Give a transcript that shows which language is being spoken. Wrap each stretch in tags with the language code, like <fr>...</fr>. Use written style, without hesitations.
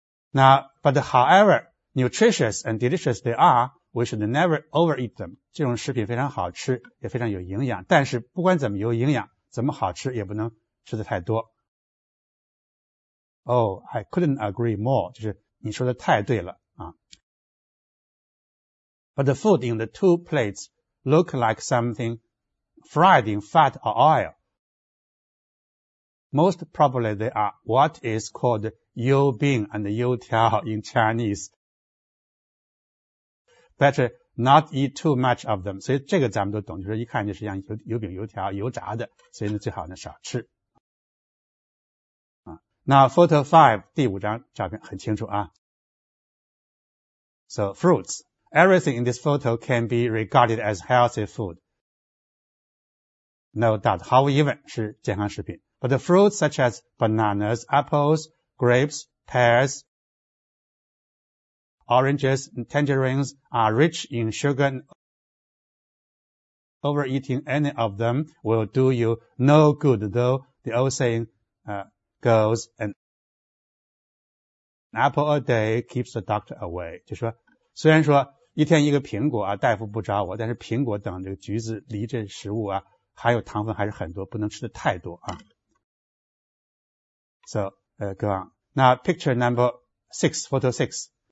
<en>那 but however nutritious and delicious they are, we should never overeat them.</en> <zh>这种食品非常好吃，也非常有营养，但是不管怎么有营养，怎么好吃，也不能吃的太多。</zh> <en>Oh, I couldn't agree more.</en> <zh>就是你说的太对了。</zh> <en>But the food in the two plates look like something fried in fat or oil. Most probably they are what is called you bing and you tiao in Chinese. Better not eat too much of them.</en> <zh>所以这个咱们都懂，就是一看就是像油饼油条油炸的，所以呢最好呢少吃。那 photo 5, 第五张照片很清楚啊。</zh> <en>So fruits. Everything in this photo can be regarded as healthy food. No doubt, how even</en> <zh>是健康食品。</zh> <en>But the fruits such as bananas, apples, grapes, pears, oranges, and tangerines are rich in sugar. Overeating any of them will do you no good, though the old saying goes, an apple a day keeps the doctor away.</en> <zh>就说虽然说一天一个苹果啊，大夫不找我，但是苹果等这个橘子、梨这食物啊，含有糖分还是很多，不能吃的太多啊。</zh> <en>So, go on. Now, picture number six, photo six.</en>